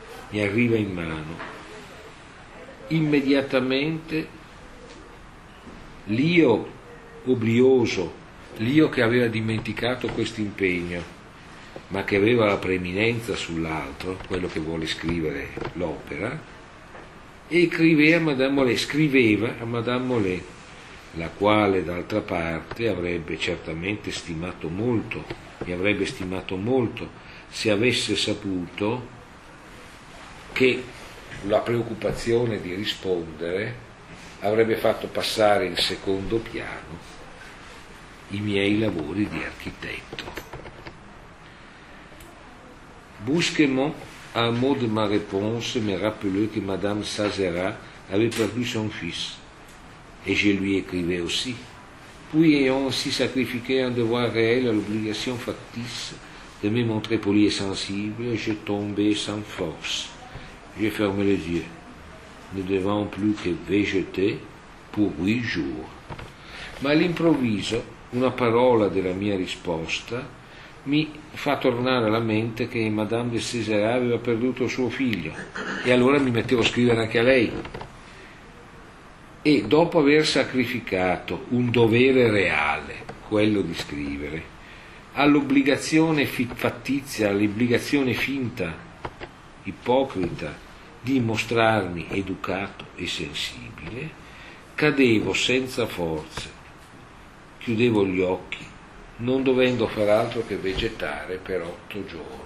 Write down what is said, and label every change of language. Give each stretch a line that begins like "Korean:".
Italian: Mi arriva in mano. Immediatamente l'io oblioso, l'io che aveva dimenticato questo impegno, ma che aveva la preeminenza sull'altro, quello che vuole scrivere l'opera, e scriveva a Madame Mollet, la quale d'altra parte avrebbe certamente stimato molto, mi avrebbe stimato molto se avesse saputo che la preoccupazione di rispondere avrebbe fatto passare in secondo piano i miei lavori di architetto.
French: Brusquement, un mot de ma réponse me rappelait que Madame Sazerat avait perdu son fils, et je lui écrivais aussi. Puis, ayant aussi sacrifié un devoir réel à l'obligation factice de me montrer poli et sensible, je tombais sans force. J'ai fermé les yeux, ne devant plus che végéter pour 8 jours.
Italian: Ma all'improvviso una parola della mia risposta mi fa tornare alla mente che Madame de Césaire aveva perduto suo figlio, e allora mi mettevo a scrivere anche a lei. E dopo aver sacrificato un dovere reale, quello di scrivere, all'obbligazione fattizia, all'obbligazione finta, ipocrita, di mostrarmi educato e sensibile, cadevo senza forze, chiudevo gli occhi, non dovendo far altro che vegetare per 8 giorni.